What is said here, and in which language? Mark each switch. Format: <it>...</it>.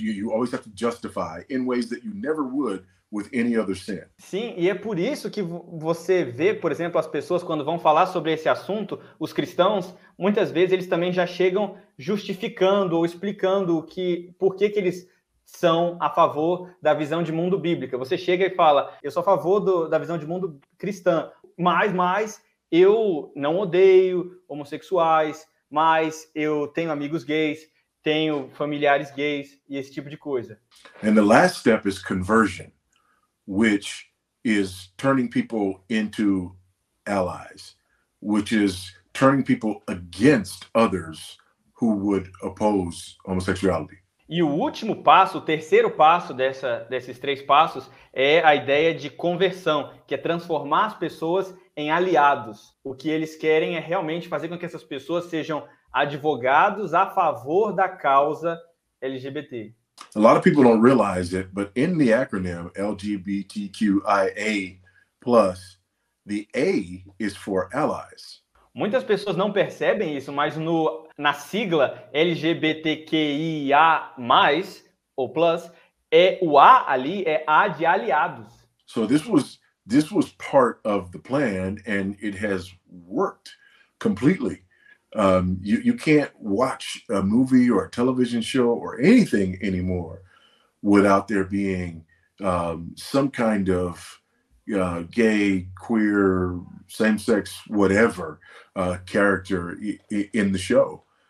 <en>You always have to justify in ways that you never would with any other sin.</en> <pt>Sim, e é por isso que você vê, por exemplo, as pessoas quando vão falar sobre esse assunto, os cristãos, muitas vezes eles também já chegam justificando ou explicando por que eles são a favor da visão de mundo bíblica. Você chega e fala, eu sou a favor da visão de mundo cristã, mas eu não odeio homossexuais. Mas eu tenho amigos gays, tenho familiares gays e esse tipo de coisa.</pt> <en>And the last step is conversion, which is turning people into allies, which is turning people against others who would oppose homosexuality.</en> <pt>E o último passo, o terceiro passo desses três passos é a ideia de conversão, que é transformar as pessoas em aliados. O que eles querem é realmente fazer com que essas pessoas sejam advogados a favor da causa LGBT.</pt> <en>A lot of people don't realize it, but in the acronym LGBTQIA+, the A is for allies.</en> <pt>Muitas pessoas não percebem isso, mas na sigla LGBTQIA+, ou plus, é o A ali, é A de aliados.</pt> <en>So this was part of the plan, and it has worked completely. You can't watch a movie or a television show or anything anymore without there being some kind of gay, queer, same-sex, whatever character in the show.</en>